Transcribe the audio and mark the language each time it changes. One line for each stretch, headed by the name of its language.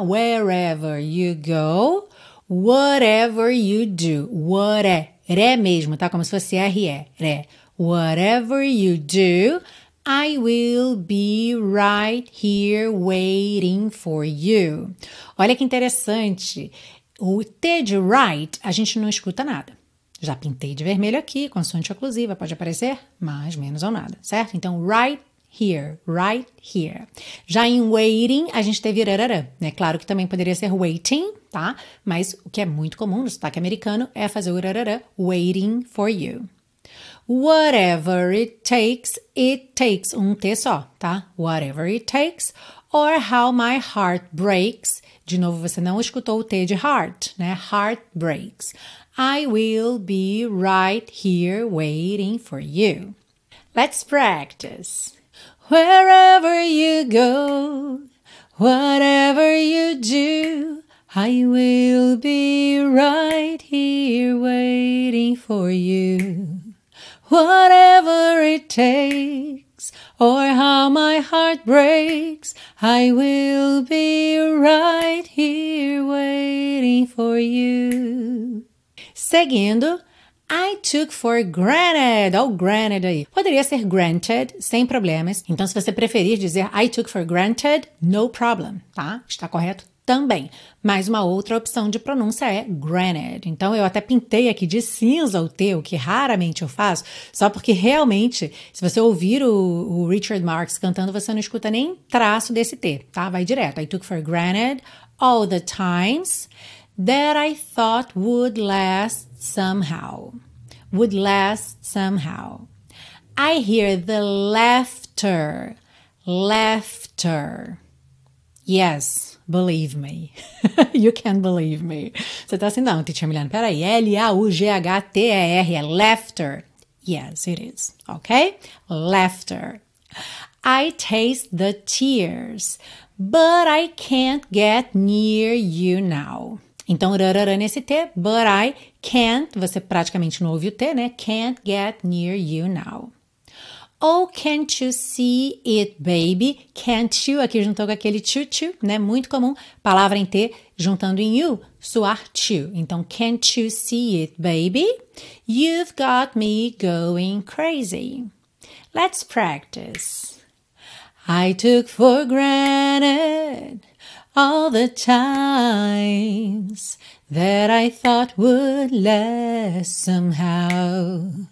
English: Wherever you go, whatever you do, whatever,
Portuguese: ré mesmo, tá? Como se fosse R-E, ré.
English: Whatever you do, I will be right here waiting for you.
Portuguese: Olha que interessante, o T de right, a gente não escuta nada. Já pintei de vermelho aqui, consoante oclusiva, pode aparecer? Mais, menos ou nada, certo? Então,
English: right here, right here.
Portuguese: Já em waiting, a gente teve irarara, né? Claro que também poderia ser waiting, tá? Mas o que é muito comum no sotaque americano é fazer o irarara,
English: waiting for you. Whatever it takes
Portuguese: um T só, tá?
English: Whatever it takes, or how my heart breaks.
Portuguese: De novo, você não escutou o T de heart, né?
English: Heart breaks. I will be right here waiting for you. Let's practice. Wherever you go, whatever you do, I will be right here waiting for you. Whatever it takes, or how my heart breaks, I will be right here waiting for you.
Portuguese: Seguindo,
English: I took for granted, ou granted aí.
Portuguese: Poderia ser granted, sem problemas. Então, se você preferir dizer
English: I took for granted, no problem,
Portuguese: tá? Está correto também. Mas uma outra opção de pronúncia é granted. Então, eu até pintei aqui de cinza o T, o que raramente eu faço, só porque realmente, se você ouvir o Richard Marx cantando, você não escuta nem traço desse T, tá? Vai direto.
English: I took for granted all the times that I thought would last somehow. Would last somehow. I hear the laughter. Laughter. Yes, believe me. You can believe me.
Portuguese: Você tá assim, não, teacher Milano. Peraí,
English: L-A-U-G-H-T-E-R. É laughter. Yes, it is. Okay? Laughter. I taste the tears, but I can't get near you now.
Portuguese: Então, rarara nesse T,
English: but I can't,
Portuguese: você praticamente não ouve o T, né?
English: Can't get near you now. Oh, can't you see it, baby?
Portuguese: Can't you, aqui juntou com aquele choo-choo, né? Muito comum, palavra em T, juntando em you, suar choo.
English: Então, can't you see it, baby? You've got me going crazy. Let's practice. I took for granted all the times that I thought would last somehow.